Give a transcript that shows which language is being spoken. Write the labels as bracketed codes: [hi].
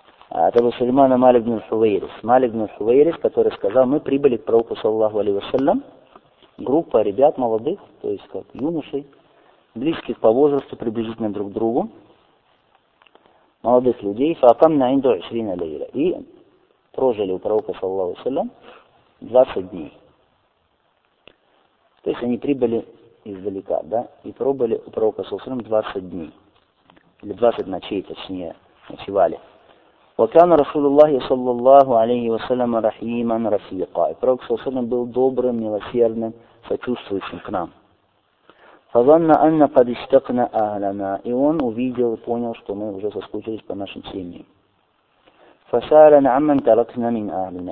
[ru] Это был Сулейман Малик ибн Хувейрис. Малик ибн Хувейрис, который сказал, мы прибыли к пророку саллаллаху алейхи ва саллям, группа ребят молодых, то есть как юношей, близких по возрасту приблизительно друг к другу, молодых людей, [ar] фаакам на инду ашрина лейля. [ru] И прожили у пророка саллаллаху алейхи ва саллям 20 дней. То есть они прибыли издалека, да, и пробыли у пророка саллаллаху алейхи ва саллям 20 дней. Или 20 ночей, точнее, ночевали. [ar] وكان رسول الله صلى الله عليه وسلم رحيما رفيقا. [ru] Пророк саллаллаху алейхи ва саллям был добрым, милосердным, сочувствующим к нам. [ar] فظن أن قد اشتقنا أهلنا. [ru] И он увидел и понял, что мы уже соскучились по нашим семьям. [ar] فسألنا عمن تركنا من أهلنا.